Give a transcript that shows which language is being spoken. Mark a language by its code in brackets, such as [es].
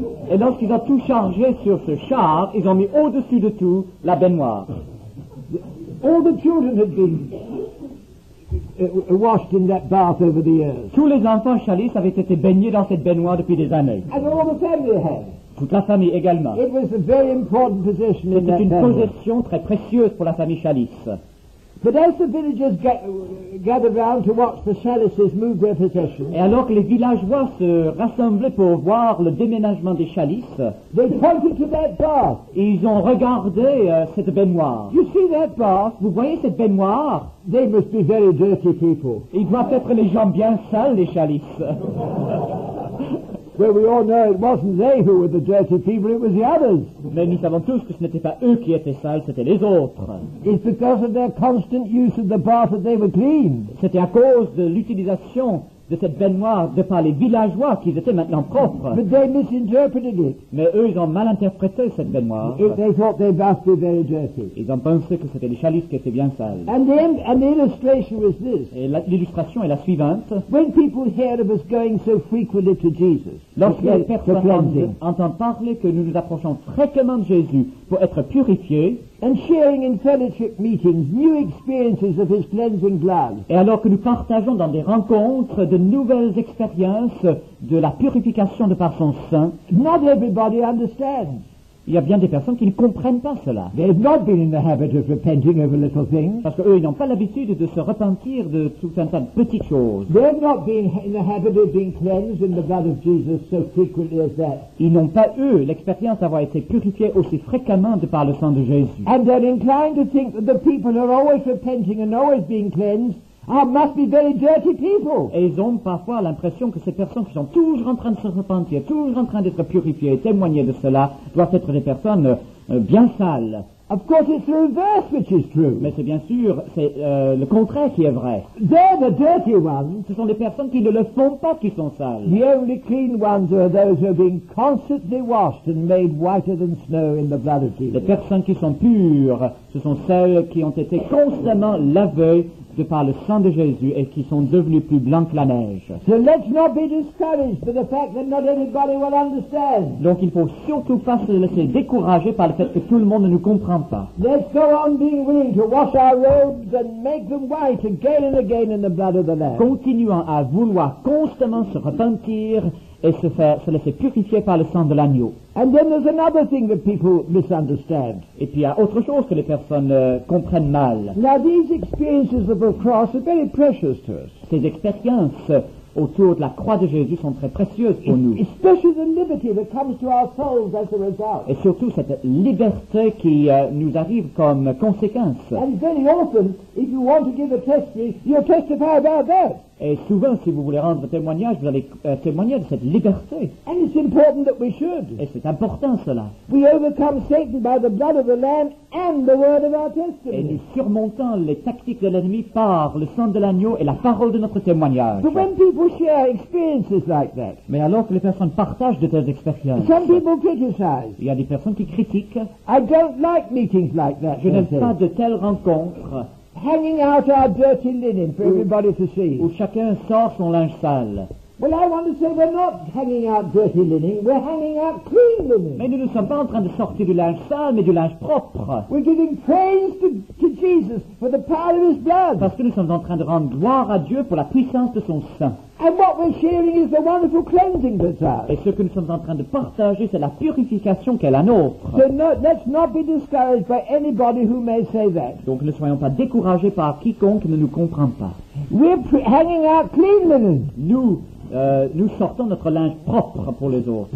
[fr] Et lorsqu'ils ont tout chargé sur ce char, ils ont mis au-dessus de tout la baignoire. [en] All the children had been washed in that bath over the years. [fr] Tous les enfants Challis avaient été baignés dans cette baignoire depuis des années. [en] And all the family had. [fr] Toute la famille également. [en] It was a very important possession. [fr] C'était une [en] family. [fr] Possession très précieuse pour la famille Challis. [en] But as the villagers gathered round to watch the Challises move their possessions, [fr] et alors que les villageois se rassemblaient pour voir le déménagement des Challis, [en] they pointed to that bath. [fr] Ils ont regardé cette baignoire. [en] You see that bath? [fr] Vous voyez cette baignoire? [en] They must be very dirty people. [fr] Ils doivent être les gens bien sales, les Challis. [en] Well, we all know it wasn't they who were the dirty people, it was the others. [fr] Mais nous savons tous que ce n'était pas eux qui étaient sales, c'était les autres. [en] It's because of their constant use of the bath that they were clean. [fr] C'était à cause de l'utilisation de cette baignoire de par les villageois qui étaient maintenant propres. [en] But they misinterpreted it. [fr] Mais eux, ils ont mal interprété cette baignoire. [en] They thought they must be very dirty. [fr] Ils ont pensé que c'était les chalices qui étaient bien sales. [en] And the illustration was this. [fr] Et l'illustration est la suivante. [en] When people hear of us going so frequently to Jesus, [fr] lorsque les personnes entendent parler que nous nous approchons fréquemment de Jésus pour être purifiés, [en] and sharing in fellowship meetings new experiences of his cleansing blood. [fr] Et alors que nous partageons dans des rencontres de nouvelles expériences de la purification de par son sang. [en] Not everybody understands. [fr] Il y a bien des personnes qui ne comprennent pas cela. [en] They've not been in the habit of repenting over little things. [fr] Parce qu'eux, ils n'ont pas l'habitude de se repentir de tout un tas de petites choses. [en] They've not been in the habit of being cleansed in the blood of Jesus so frequently as that. [fr] Ils n'ont pas, eux, l'expérience d'avoir été purifiés aussi fréquemment de par le sang de Jésus. [en] And they're inclined to think that the people who are always repenting and always being cleansed are must be very dirty people. [fr] Et ils ont parfois l'impression que ces personnes qui sont toujours en train de se repentir, toujours en train d'être purifiées et témoigner de cela, doivent être des personnes bien sales. [en] Of course it's the reverse which is true. [fr] Mais c'est bien sûr, c'est le contraire qui est vrai. [en] They're the dirty ones. [fr] Ce sont les personnes qui ne le font pas qui sont sales. [en] The only clean ones are those who are being constantly washed and made whiter than snow in the blood of Jesus. [fr] Les personnes qui sont pures, ce sont celles qui ont été constamment lavées de par le sang de Jésus et qui sont devenus plus blancs que la neige. [en] So let's not be discouraged by the fact that not everybody will understand. [fr] Donc il ne faut surtout pas se laisser décourager par le fait que tout le monde ne nous comprend pas. [en] Let's go on being willing to wash our robes and make them white again and again in the blood of the Lamb. [fr] Continuons à vouloir constamment se repentir et se laisser purifier par le sang de l'agneau. [en] And then there's another thing that people misunderstand. [fr] Et puis il y a autre chose que les personnes comprennent mal. [en] Now these experiences of the cross are very precious to us. [fr] Ces expériences autour de la croix de Jésus sont très précieuses pour nous. [en] Especially the liberty that comes to our souls as a result. [fr] Et surtout cette liberté qui nous arrive comme conséquence. [en] And very often, if you want to give a testimony, you'll testify about that. [fr] Et souvent, si vous voulez rendre témoignage, vous allez témoigner de cette liberté. [en] And it's important that we should. [fr] Et c'est important cela. [en] We overcome Satan by the blood of the Lamb and the word of our testimony. [fr] Et nous surmontons les tactiques de l'ennemi par le sang de l'agneau et la parole de notre témoignage. [en] But when people share experiences like that, [fr] mais alors que les personnes partagent de telles expériences, [en] some people criticize. [fr] Il y a des personnes qui critiquent. [en] I don't like meetings like that. [fr] Je n'aime pas de telles rencontres. [en] Hanging out our dirty linen for everybody to see. [fr] Où chacun sort son linge sale. [en] Well, I want to say we're not hanging out dirty linen. We're hanging out clean linen. [fr] Mais nous ne sommes pas en train de sortir du linge sale, mais du linge propre. [en] We're giving praise to Jesus for the power of His blood. [fr] Parce que nous sommes en train de rendre gloire à Dieu pour la puissance de son sang. [en] And what we're sharing is the wonderful cleansing that's ours. [fr] Et ce que nous sommes en train de partager, c'est la purification qu'est la nôtre. [en] So no, let's not be discouraged by anybody who may say that. [fr] Donc ne soyons pas découragés par quiconque ne nous comprend pas. [en] We're hanging out clean linen. [fr] Nous sortons notre linge propre pour les autres.